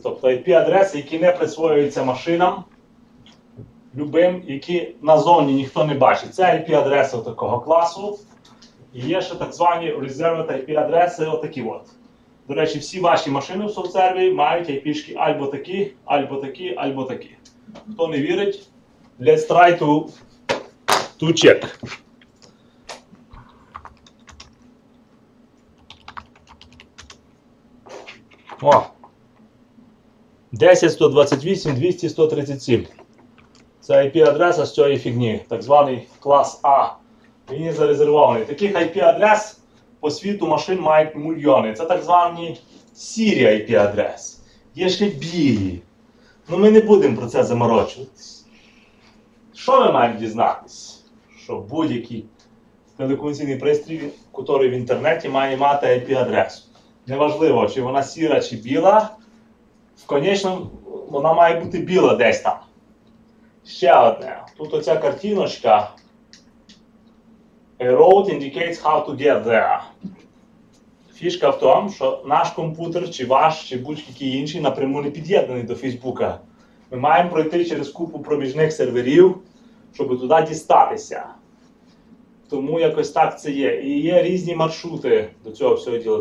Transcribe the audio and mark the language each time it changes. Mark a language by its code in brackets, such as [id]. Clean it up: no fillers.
[uk] Тобто IP-адреси, які не присвоюються машинам любим, які на зоні ніхто не бачить. Це IP-адреси такого класу. І є ще так звані reserved IP-адреси отакі от. До речі, всі ваші машини в софтсерві мають IP-шки або такі, або такі, або такі. Хто не вірить, [en] let's try to check. [uk] О! 10.128.200.137. Це IP-адреса з цієї фігні, так званий клас А. Він зарезервований. Таких IP-адрес по світу машин мають мільйони. Це так звані Siri IP-адрес. Є ще білі. Ну ми не будемо про це заморочуватись. Що ми маємо дізнатись? Що будь-який телекомунікаційний пристрій, який в інтернеті, має мати IP-адресу. Неважливо, чи вона сіра, чи біла. В конечному, вона має бути біла десь там. Ще одне. Тут оця картиночка. [en] A road indicates how to get there. [uk] Фішка в тому, що наш комп'ютер, чи ваш, чи будь-який інший, напряму не під'єднаний до Фейсбука. Ми маємо пройти через купу проміжних серверів, щоб туди дістатися. Тому якось так це є. І є різні маршрути до цього всього діла.